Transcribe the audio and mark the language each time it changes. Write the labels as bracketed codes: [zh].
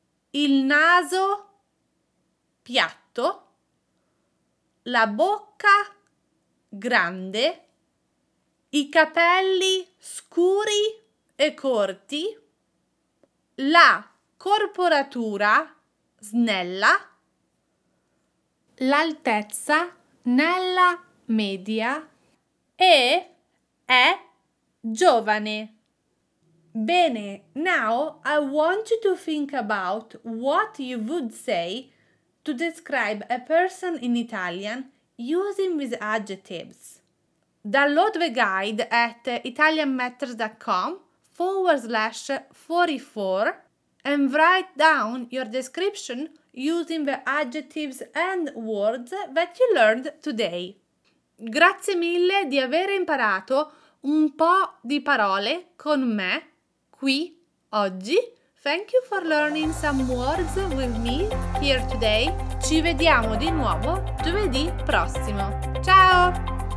[it] il naso piatto, la bocca grande, i capelli scuri e corti, la corporatura snella, l'altezza nella media e è giovane. [en] Bene, now I want you to think about what you would say to describe a person in Italian using these adjectives. Download the guide at italianmatters.com/44 and write down your description using the adjectives and words that you learned today. [it] Grazie mille di aver imparato un po' di parole con me qui oggi. [en] Thank you for learning some words with me here today. [it] Ci vediamo di nuovo giovedì prossimo. Ciao!